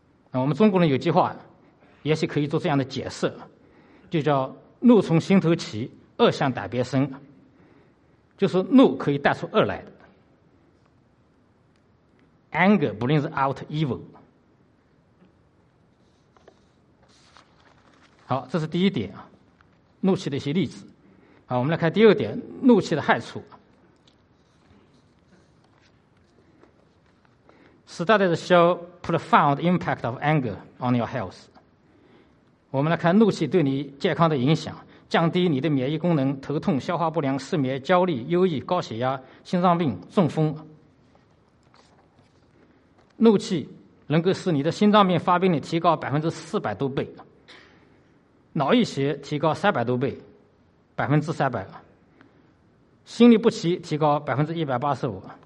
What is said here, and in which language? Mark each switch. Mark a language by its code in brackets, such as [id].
[zh] 那我们中国人有句话，也许可以做这样的解释，就叫怒从心头起，恶向胆边生，就是怒可以带出恶来的。 Anger 不论是 out evil，好，这是第一点啊，怒气的一些例子。好，我们来看第二点，怒气的害处。 [en] Studies show profound impact of anger on your health. [zh] 我们来看怒气对你健康的影响，降低你的免疫功能，头痛、消化不良、失眠、焦虑、忧郁、高血压、心脏病、中风。怒气能够使你的心脏病发病率提高400多倍，脑溢血提高300多倍，300%，心律不齐提高185%。